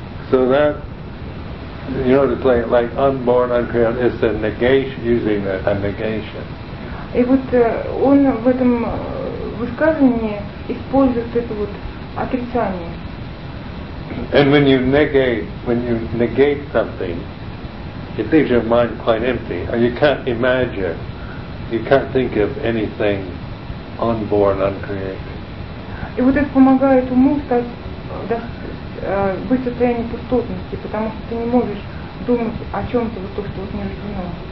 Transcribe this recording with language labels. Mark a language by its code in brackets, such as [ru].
[en] So that, you know, to play it like unborn, uncreated, it's a negation, using a negation. [ru] И вот он в этом высказывании использует это вот отрицание. [en] And when you negate something, it leaves your mind quite empty. You can't imagine, you can't think of anything unborn, uncreated. [ru] И вот это помогает уму стать есть быть в состоянии пустотности, потому что ты не можешь думать о чем-то, вот то, что вот не рождено.